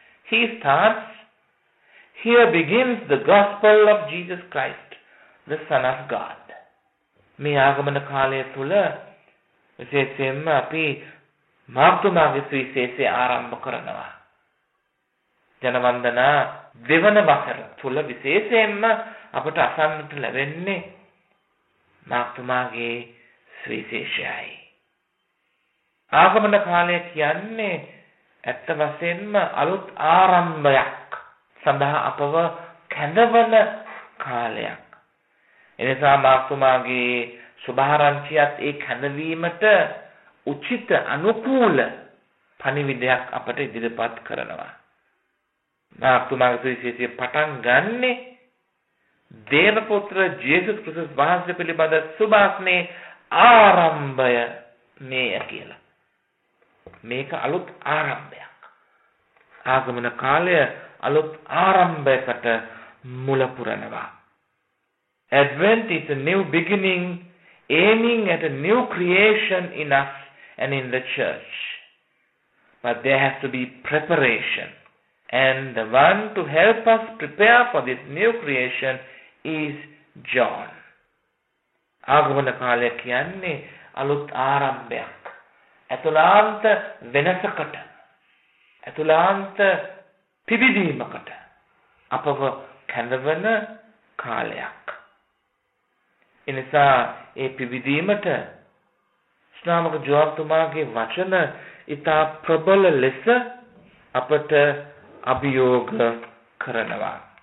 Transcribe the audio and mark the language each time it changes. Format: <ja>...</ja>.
<en>He starts, "Here begins the gospel of Jesus Christ, the Son of God."</en> <si>මේ ආගමන කාලය තුළ විශේෂයෙන්ම අපි මාර්තුමාගේ සුවිශේෂය ආරම්භ කරනවා. ජනවන්දනා දෙවන වසර තුළ විශේෂයෙන්ම අපට අසන්නට ලැබෙන්නේ මාතුමාගේ ස්විශේෂයයි. ආගමන කාලය කියන්නේ ඇත්ත වශයෙන්ම අලුත් ආරම්භයක් සඳහා අපව කැඳවන කාලයක්. එනිසා මාතුමාගේ සුභාරංචියත් ඒ කැඳවීමට උචිත අනුකූල පණිවිඩයක් අපට ඉදිරිපත් කරනවා. මාතුමාගේ සුවිශේෂය පටන් ගන්නේ දේවපුත්‍ර ජේසුස් ක්‍රිස්තුස් වහන්සේ පිළිබඳ සුභාස්නේ ආරම්භය මේය කියලා. මේක අලුත් ආරම්භයක්. ආගමන කාලය අලුත් ආරම්භයකට මුල පුරනවා.</si> <en>Advent is a new beginning, aiming at a new creation in us and in the church. But there has to be preparation. And the one to help us prepare for this new creation is John.</en> <si>ආගමන කාලය කියන්නේ අලුත් ආරම්භයක්. ඇතුළාන්ත වෙනසකට, ඇතුළාන්ත පිබිදීමකට අපව කැඳවන කාලයක්. එනිසා ඒ පිබිදීමට ශ්‍රාවක ජෝන්තුමාගේ වචන ඉතා ප්‍රබල ලෙස අපට අභියෝග කරනවා.</si>